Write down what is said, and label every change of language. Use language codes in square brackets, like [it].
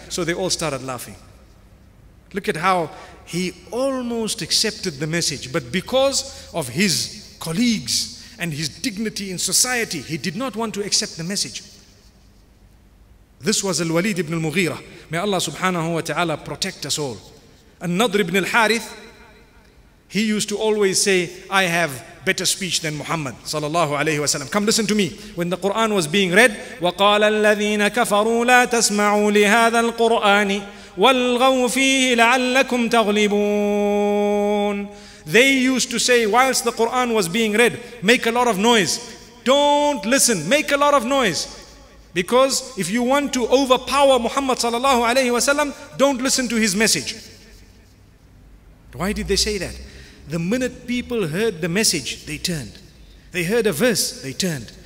[en] So they all started laughing. Look at how he almost accepted the message, but because of his colleagues and his dignity in society, he did not want to accept the message. This was Al-Walid ibn al-Mughira. May Allah subhanahu wa ta'ala protect us all. An-Nadr ibn al-Harith, he used to always say, I have better speech than Muhammad sallallahu alayhi wa sallam. Come listen to me. When the Quran was being read, [ar] وَقَالَ الَّذِينَ كَفَرُوا لَا تَسْمَعُوا لِهَذَا الْقُرْآنِ وَالْغَوْا فِيهِ لَعَلَّكُمْ تَغْلِبُونَ. [en] They used to say, whilst the Quran was being read, make a lot of noise. Don't listen. Make a lot of noise. Because if you want to overpower Muhammad sallallahu alayhi wa sallam, don't listen to his message. Why did they say that? The minute people heard the message, they turned. They heard a verse, they turned.